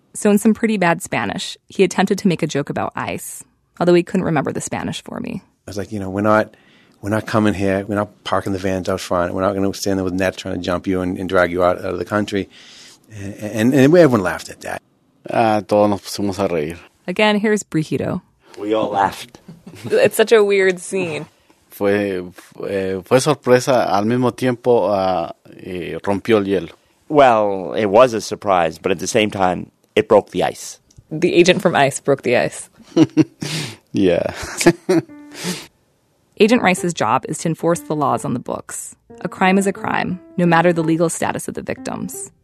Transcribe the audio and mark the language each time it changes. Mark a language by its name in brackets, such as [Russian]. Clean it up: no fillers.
[English] So in some pretty bad Spanish, he attempted to make a joke about ICE, although he couldn't remember the Spanish for me. I was like, you know, we're not coming here. We're not parking the vans out front. We're not going to stand there with nets trying to jump you and drag you out of the country. And everyone laughed at that. [Spanish] Todos nos pusimos a reír. [English] Again, here's Brigido. We all laughed. It's such a weird scene. [Spanish] Fue sorpresa al mismo tiempo rompió el hielo. [English] Well, it was a surprise, but at the same time, it broke the ice. The agent from ICE broke the ice. Yeah. Agent Rice's job is to enforce the laws on the books. A crime is a crime, no matter the legal status of the victims.